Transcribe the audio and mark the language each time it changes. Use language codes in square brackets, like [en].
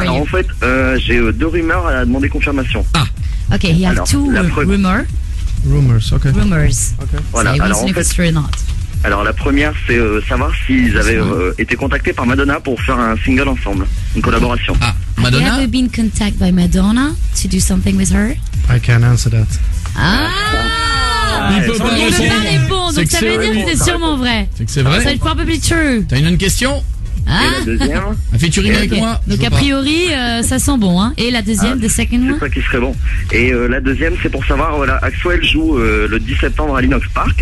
[fr] alors, [en] you. [fr] En fait, j'ai deux rumeurs à demander confirmation. Ah! Ok, il y a rumeurs. [en] Rumors, ok. Rumors. [fr] Okay. Voilà, alors en fait, [en] true or not. [fr] Alors la première, c'est savoir s'ils avaient été contactés par Madonna pour faire un single ensemble, une collaboration. Ah, Madonna. [en] Have you been contacted by Madonna to do something with her? I can't answer that. Ah! [fr] Il peut pas répondre, donc ça veut dire que c'est sûrement vrai. C'est que c'est vrai. Ça va être [en] probably true. [fr] T'as une autre question? Ah! Et la deuxième. Un featuring avec moi. Donc a priori, ça sent bon, hein. Et la deuxième, [en] the second one. [fr] C'est ça qui serait bon. Et la deuxième, c'est pour savoir, voilà, Axwell joue le 10 septembre à l'Inox Park.